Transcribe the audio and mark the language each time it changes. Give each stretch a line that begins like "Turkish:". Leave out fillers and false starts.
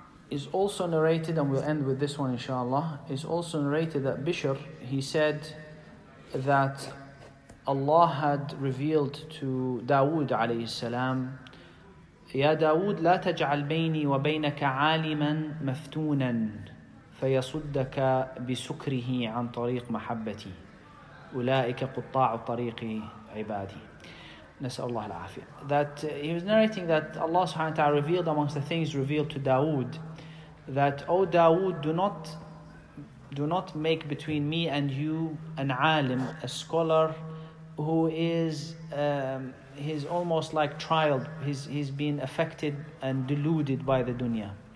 English: It's also narrated, and we'll end with this one inshallah, it's also narrated that Bishr, he said that Allah had revealed to Dawood alayhi salam,
Arabic: "Ya Dawood, la taj'al bayni wa baynaka aliman maftunan. فيصدك بسكره عن طريق محبتي أولئك قطاع طريق عبادي." نسأل الله العافية.
English: That he was narrating that Allah subhanahu wa ta'ala revealed, amongst the things revealed to Dawood, that, "O Dawood, do not make between me and you an alim, a scholar who is he's almost like trialed, he's been affected and deluded by the dunya."